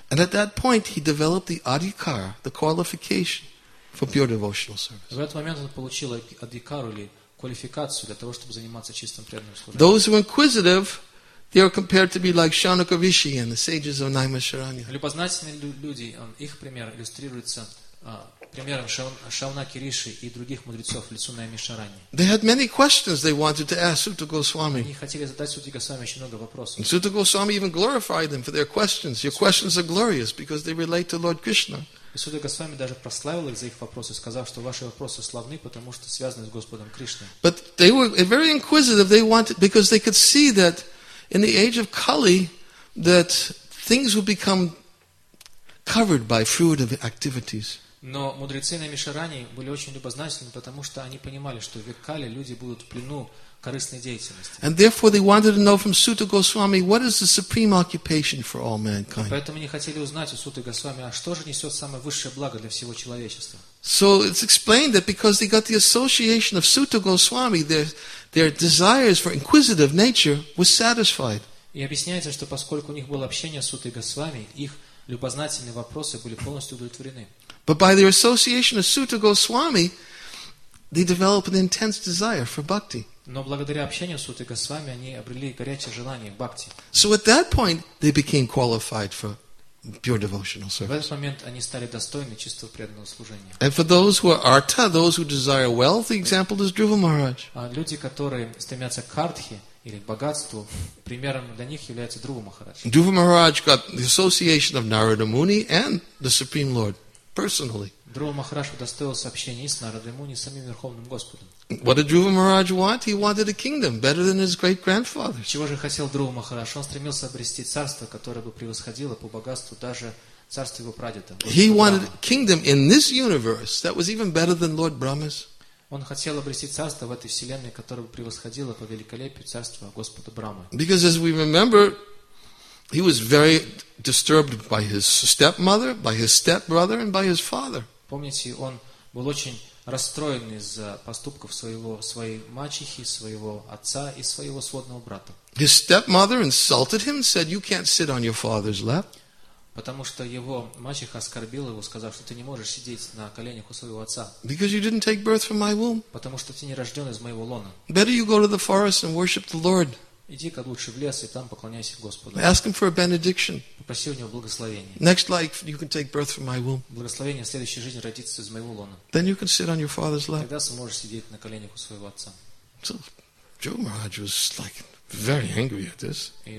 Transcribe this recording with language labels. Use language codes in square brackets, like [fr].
[en] And at that point he developed the adhikara, the qualification for pure devotional service. [ru] В этот момент он получил адхикару или квалификацию для того, чтобы заниматься чистым преданным служением. [en] Those who are inquisitive, they are compared to be like Shanaka Rishi and the sages of Naimasharanya. [ru] Любознательные люди, их пример иллюстрируется примером Шаунаки Риши и других мудрецов лицу на Амишарани. [en] They had many questions they wanted to ask Сута Госвами. [ru] Они хотели задать Сута Госвами еще много вопросов. [en] Сута Госвами even glorified them for their questions. Your questions are glorious because they relate to Lord Krishna. [ru] И Сута Госвами даже прославил их за их вопросы, сказав, что ваши вопросы славны, потому что связаны с Господом Кришной. [en] But they were very inquisitive. They wanted because they could see that in the age of Kali that things would become covered by fruit of activities. [ru] Но мудрецы на Амишарани были очень любознательны, потому что они понимали, что в век Кали люди будут в плену корыстной деятельности. [en] And therefore they wanted to know from Suta Goswami what is the supreme occupation for all mankind. [ru] Поэтому они хотели узнать у Суты Госвами, а что же несет самое высшее благо для всего человечества. [en] So it's explained that because they got the association of Suta Goswami, their desires for inquisitive nature were satisfied. [ru] И объясняется, что поскольку у них было общение с Сутой Госвами, их любознательные вопросы были полностью удовлетворены. [en] But by their association with Suta Goswami, they develop an intense desire for bhakti. [ru] Но благодаря общению с Сутой Госвами они обрели горячее желание бхакти. [en] So at that point they became qualified for pure devotional service. [ru] В этот момент они стали достойны чистого преданного служения. [en] And for those who are artha, those who desire wealth, the example is Dhruva Maharaj. [ru] Люди, которые стремятся к артхе или к богатству, примером для них является Dhruva Maharaj. [en] Dhruva Maharaj got the association of Narada Muni and the Supreme Lord. Personally. [ru] Dhruva Maharaj удостоился общения с Нарадой Муни, самим Верховным Господом. [en] What did Dhruva Maharaj want? He wanted a kingdom better than his great-grandfather. [ru] Чего же хотел Dhruva Maharaj? Он стремился обрести царство, которое бы превосходило по богатству даже царство его прадеда. [en] He wanted a kingdom in this universe that was even better than Lord Brahma's. [ru] Он хотел обрести царство в этой вселенной, которое бы превосходило по великолепию царство Господа Брамы. [en] Because as we remember, he was very disturbed by his stepmother, by his stepbrother, and by his father. [ru] Помните, он был очень расстроен из-за поступков своей мачехи, своего отца и своего сводного брата. [en] His stepmother insulted him and said, "You can't sit on your father's lap." [ru] Потому что его мачеха оскорбила его, сказав, что ты не можешь сидеть на коленях у своего отца. [en] Because you didn't take birth from my womb. [ru] Потому что ты не рожден из моего лона. [en] Better you go to the forest and worship the Lord. [ru] Иди-ка лучше в лес и там поклоняйся Господу. [en] Ask him for a benediction. [ru] Попроси у него благословения. [en] Next life you can take birth from my womb. [ru] Благословение в следующей жизни родиться из моего лона. [en] Then you can sit on your father's lap. [ru] Тогда сможешь сидеть на коленях у своего отца. [en] So, Dhruva Maharaj was like very angry at this.